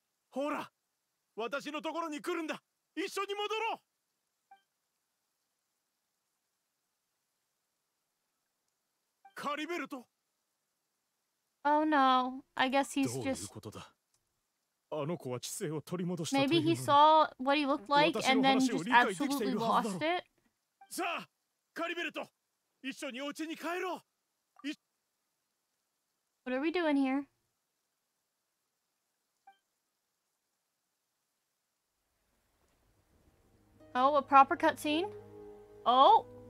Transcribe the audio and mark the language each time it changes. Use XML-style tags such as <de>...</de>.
<ja>ほら、私のところに来るんだ。一緒に戻ろう。カリベルト。</ja> <en>Oh no, I guess he's just</en> <ja>どういうことだ。あの子は知性を取り戻したというのに。</ja> <en>Maybe he saw what he looked like and then just absolutely lost it.</en> <ja>さあ、カリベルト、一緒にお家に帰ろう。</ja> <en>What are we doing here? Oh, a proper cutscene? Oh!</en>